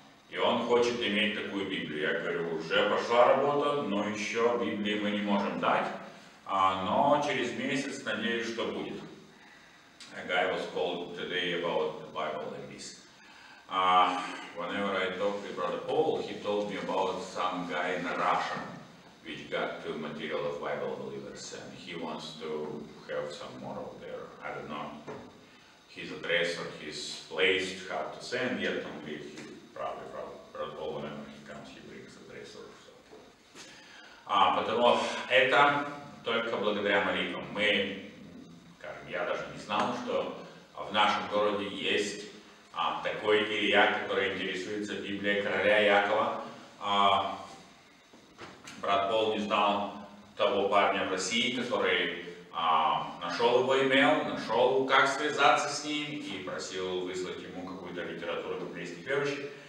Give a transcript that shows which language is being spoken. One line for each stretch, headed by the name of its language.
Russian: И он хочет иметь такую Библию. Я говорю, уже пошла работа, но еще Библии мы не можем дать. Но через месяц, надеюсь, что будет.
English: A guy was called today about the Bible and this. Whenever I talked with Brother Paul, he told me about some guy in Russia, which got to material of Bible believers, and he wants to have some more of their, I don't know, his address or his place, how to send, yet only he probably from Brother Paul, whenever he comes, he brings address or something.
Russian: Потому это только благодаря молитвам. Мы, скажем, я даже не знал, что в нашем городе есть такой Илья, который интересуется Библией короля Якова. Брат Пол не знал того парня в России, который нашел его имейл, нашел, как связаться с ним, и просил выслать ему какую-то литературу библейских верующих.